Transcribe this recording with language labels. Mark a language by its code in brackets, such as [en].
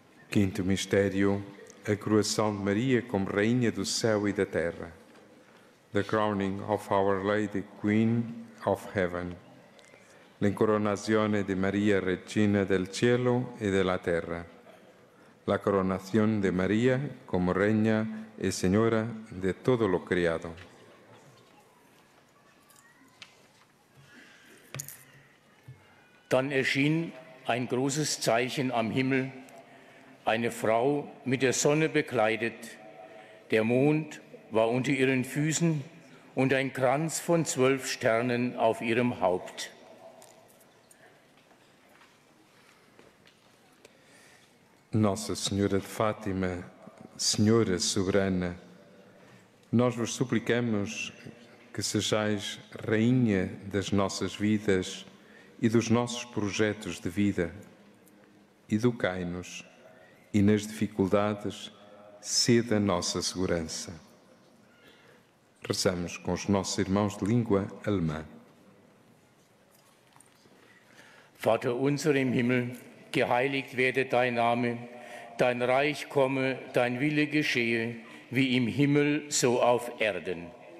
[pt] Quinto mistério, a coroação de Maria como Rainha do Céu e da Terra. [en] The crowning of Our Lady, Queen of Heaven. [it] L'incoronazione de Maria, Regina del Cielo e della Terra. [es] La coronación de Maria como Reina e Señora de todo lo criado. [de] Dann erschien ein großes Zeichen am Himmel, eine Frau mit der Sonne bekleidet, der Mond war unter ihren Füßen und ein Kranz von 12 Sternen auf ihrem Haupt. [pt] Nossa Senhora de Fátima, Senhora Soberana, nós vos suplicamos que sejais Rainha das nossas vidas e dos nossos projetos de vida. Educai-nos e, nas dificuldades, sede a nossa segurança. Rezamos com os nossos irmãos de língua alemã. [de] Vater unser im Himmel, geheiligt werde dein Name, dein Reich komme, dein Wille geschehe, wie im Himmel so auf Erden.